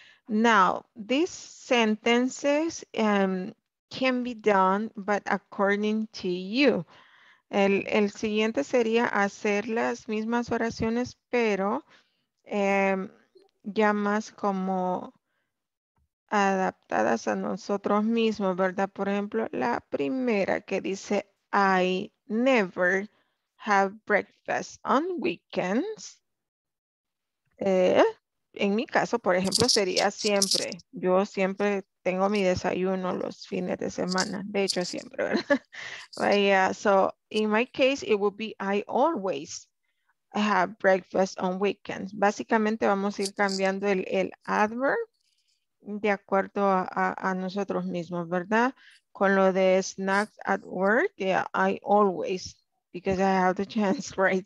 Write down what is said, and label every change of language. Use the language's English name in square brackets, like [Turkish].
[English] Now, these sentences can be done, but according to you. [Spanish] El siguiente sería hacer las mismas oraciones, pero ya más como adaptadas a nosotros mismos, ¿verdad? Por ejemplo, la primera que dice, [English] I never have breakfast on weekends. [Spanish] En mi caso, por ejemplo, sería siempre. Yo siempre tengo mi desayuno los fines de semana. De hecho, siempre, ¿verdad? [English] Yeah, so in my case, it would be I always have breakfast on weekends. [Spanish] Básicamente vamos a ir cambiando el adverb de acuerdo a nosotros mismos, ¿verdad? Con lo de [English] snacks at work, yeah, I always, because I have the chance, right?